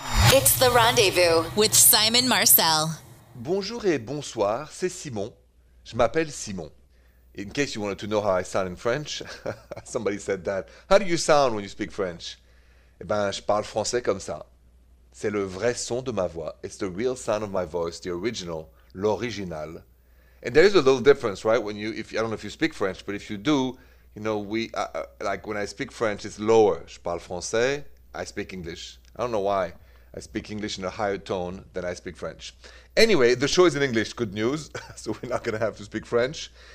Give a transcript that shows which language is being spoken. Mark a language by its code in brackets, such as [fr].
[en] It's The Rendezvous with Simon Marcel. [fr] Bonjour et bonsoir, c'est Simon. Je m'appelle Simon. [en] In case you wanted to know how I sound in French, somebody said that. How do you sound when you speak French? [fr] Eh ben, je parle français comme ça. C'est le vrai son de ma voix. [en] It's the real sound of my voice, the original, l'original. And there is a little difference, right? If I don't know if you speak French, but if you do, you know, when I speak French, it's lower. [fr] Je parle français, [en] I speak English. I don't know why I speak English in a higher tone than I speak French. Anyway, the show is in English, good news. So we're not going to have to speak French.